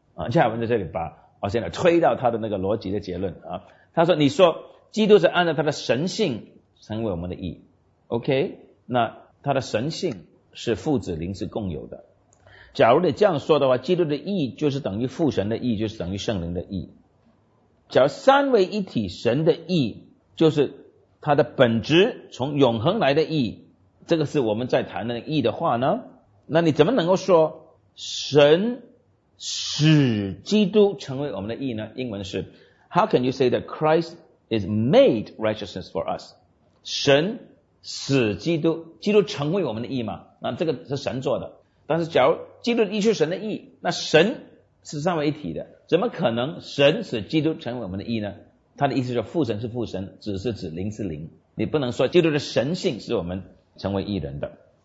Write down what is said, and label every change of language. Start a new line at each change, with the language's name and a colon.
Chinese: 加尔文在这里把我现在推到他的那个逻辑的结论啊，他说你说基督是按照他的神性成为我们的义， OK， 那他的神性是父子灵是共有的，假如你这样说的话，基督的义就是等于父神的义，就是等于圣灵的义。假如三位一体神的义就是他的本质从永恒来的义，这个是我们在谈的义的话呢，那你怎么能够说神使基督成为我们的义呢？英文是
English: How can you say that Christ is made righteousness for us?
Chinese: 神使基督，基督成为我们的义嘛？那这个是神做的。但是假如基督的义是神的义，那神是三位一体的，怎么可能神使基督成为我们的义呢？他的意思说父神是父神，子是子，灵是灵，你不能说基督的神性使我们成为义人的。